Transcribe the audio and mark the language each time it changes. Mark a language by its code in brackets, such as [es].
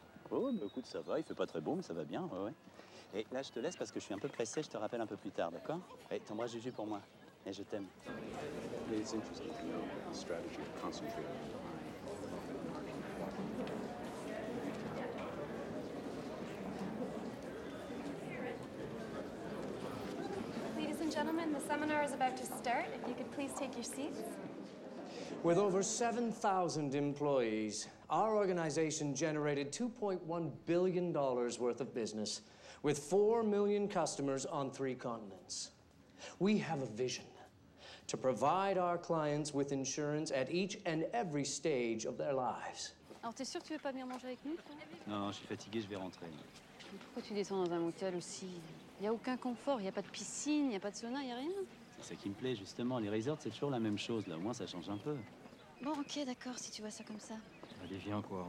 [fr] Oh, bah écoute, ça va, il fait pas très bon, mais ça va bien, ouais, ouais. Et là, je te laisse parce que je suis un peu pressé, je te rappelle un peu plus tard, d'accord? Et t'embrasses Juju pour moi. Et je t'aime. [en] It's interesting to know the strategy of concentrating. Ladies and gentlemen, the seminar is about to start. If you could please take your seats. With over 7,000 employees, our organization generated $2.1 billion worth of business with 4 million customers on three continents. We have a vision to provide our clients with insurance at each and every stage of their lives. [fr] Alors, t'es sûr que tu veux pas venir manger avec nous, toi? Non, je suis fatigué, je vais rentrer. Mais pourquoi tu descends dans un hôtel aussi? Il y a aucun confort, il y a pas de piscine, il y a pas de sauna, il y a rien. C'est ce qui me plaît, justement. Les resorts, c'est toujours la même chose. Là, au moins, ça change un peu. Bon, OK, d'accord, si tu vois ça comme ça. Allez, viens, quoi.